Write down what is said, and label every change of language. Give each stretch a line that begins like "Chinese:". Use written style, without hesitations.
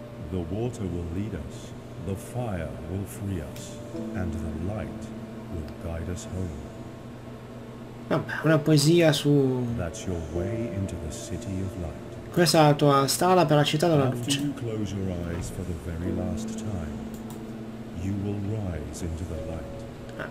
English: The water will lead us, the fire will free us, and the light will guide us home.
Italian: Vabbè, una poesia su...
English: That's your way into the city of light.
Italian: Questa è la tua strada per la città della luce.
English: After you close your eyes for the very last time, you will rise into the light.